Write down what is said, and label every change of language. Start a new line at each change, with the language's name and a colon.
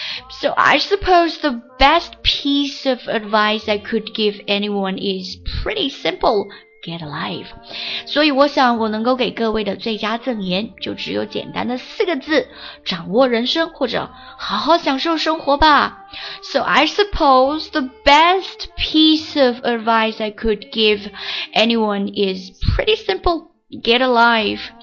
English: So I suppose the best piece of advice I could give anyone is pretty simple, get a life.
Chinese: 所以我想我能够给各位的最佳赠言就只有简单的四个字，掌握人生，或者好好享受生活吧。
English: So I suppose the best piece of advice I could give anyone is pretty simple, get a life.